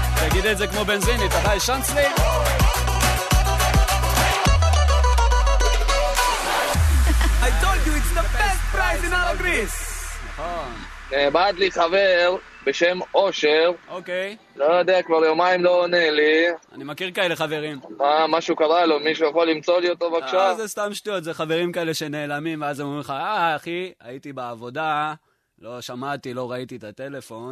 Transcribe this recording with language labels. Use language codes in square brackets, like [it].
[he] תגיד את זה כמו בנזינית, אתה ישן אצלי? [en] I told you it's the best prize in all of Greece. [he] נכון. בא לי חבר בשם אושר. אוקיי. לא יודע, כבר יומיים לא עונה לי. אני מכיר כאלה חברים. מה, משהו קרה לו? מישהו יכול למצוא לי אותו בבקשה? אה, זה סתם שטויות, זה חברים כאלה שנעלמים, ואז הם אומרים לך, אה, אחי, הייתי בעבודה. לא שמעתי, לא ראיתי את הטלפון.